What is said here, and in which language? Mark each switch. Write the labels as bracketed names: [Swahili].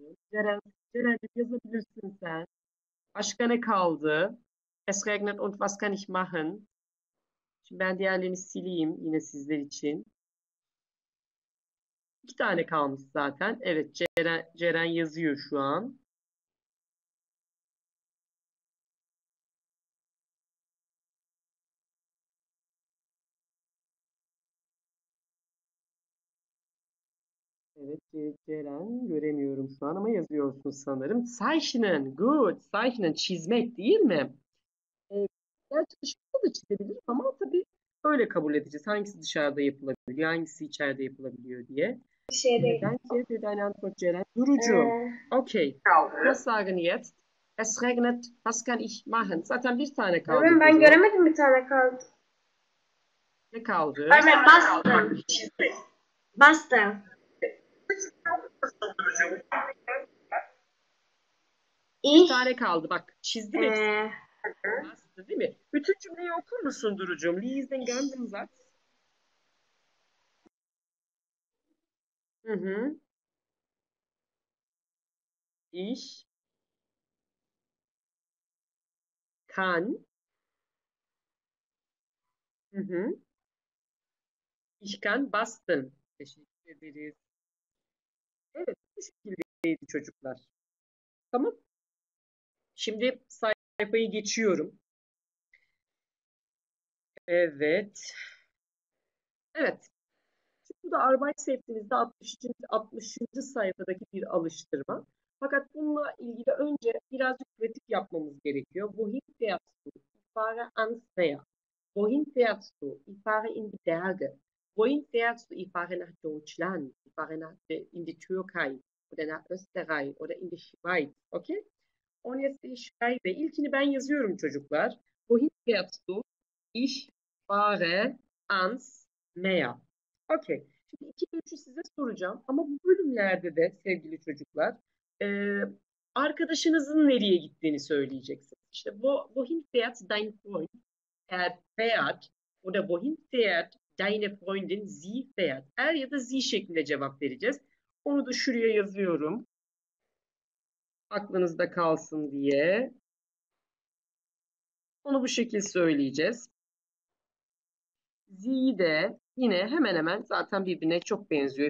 [Turkish] Ceren, yazabilirsin sen. Başka ne kaldı? [German] Es regnet und was kann ich machen? [Turkish] Şimdi ben diğerlerini sileyim yine sizler için. İki tane kalmış zaten. Evet, Ceren yazıyor şu an. Evet, Ceren göremiyorum şu an ama yazıyorsun sanırım. [German] Zeichnen, good. Zeichnen, [Turkish] çizmek değil mi? Gerçi dışarıda da çizebilirim ama tabii öyle kabul edeceğiz. Hangisi dışarıda yapılabiliyor, hangisi içeride yapılabiliyor diye. Ceren, durucu. Okay. [German] Was sagen jetzt? Es regnet, was kann ich machen? [Turkish] Zaten bir tane kaldı. Ben burada. Göremedim bir tane kaldı. Ne kaldı? Aynen, bastım. Bir tane kaldı bak. Çizdim hepsini. Değil mi? Bütün cümleyi okur musun Durucuğum? Lise'den geldim zat. [German] Ich kann Ich kann basteln. [Turkish] Teşekkür ederiz. Evet, bu şekildeydi çocuklar. Tamam. Şimdi sayfayı geçiyorum. Evet. Evet. Bu da Arbeitsheftimizde 60. sayfadaki bir alıştırma. Fakat bununla ilgili önce birazcık pratik yapmamız gerekiyor. [German] Wohin fährst du? Ich fahre ans Meer. Wohin fährst du? Ich fahre in die Berge. Wohin fährst du? Ich fahre nach Deutschland. Ich fahre in die Türkei oder nach Österreich oder in die Schweiz. Okay? Und jetzt ich schreibe. [Turkish] İlkini ben yazıyorum çocuklar. [German] Wohin fährst du? Ich fahre ans Meer. Okay. [Turkish] Şimdi iki ölçü size soracağım. Ama bu bölümlerde de sevgili çocuklar, arkadaşınızın nereye gittiğini söyleyeceksiniz. [German] İşte wohin fährt dein Freund? Er fährt. Oder wohin fährt deine Freundin? Sie fährt. Er [Turkish] ya da sie şeklinde cevap vereceğiz. Onu da şuraya yazıyorum. Aklınızda kalsın diye. Onu bu şekilde söyleyeceğiz. Sie de yine hemen hemen zaten birbirine çok benziyor.